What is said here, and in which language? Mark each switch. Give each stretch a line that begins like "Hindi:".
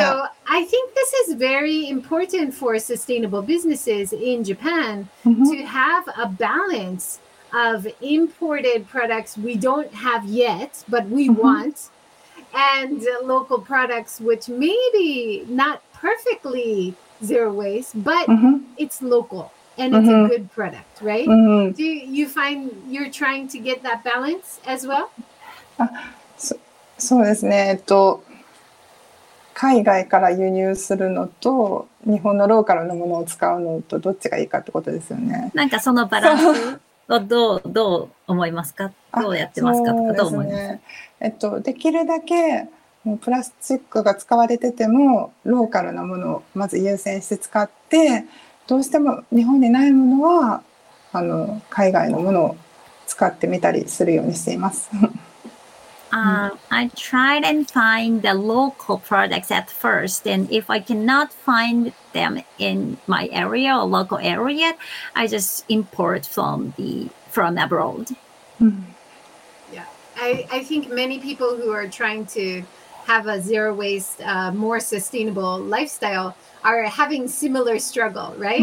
English: So I think this is very important for sustainable businesses in Japan to have a balance of imported products we don't have yet, but we want, and local products, which maybe not perfectly zero waste, but it's local and it's a good product, right? Mm-hmm. Do you find you're trying to get that balance as well?
Japanese: そうですね。海外から輸入するのと日本のローカルのものを使うのとどっちがいいかってことですよね。なんかそのバランス。どう思いますか、どうやってますかとか、どう思いますか。できるだけプラスチックが使われててもローカルなものをまず優先して使って、どうしても日本にないものは海外のものを使ってみたりするようにしています。
English: I tried and find the local products at first, and if I cannot find them in my area or local area, I just import from abroad. Yeah, I think many people who are trying to have a zero waste, more sustainable lifestyle are having similar struggle, right?